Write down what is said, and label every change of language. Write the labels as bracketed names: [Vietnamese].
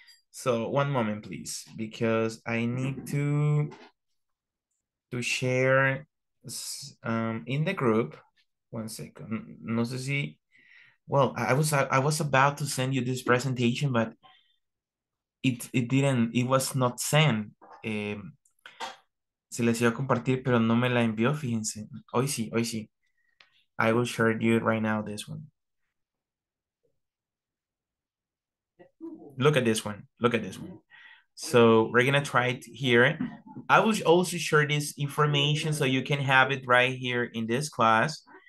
[English] So one moment, please, because I need to share in the group. One second. [Spanish] No sé si. [English] Well, I was about to send you this presentation, but it didn't. It was not sent. [Spanish] Se les iba a compartir, pero no me la envió. Fíjense. Hoy sí. [English] I will share you right now this one. Look at this one. So we're gonna try it here. I will also share this information so you can have it right here in this class.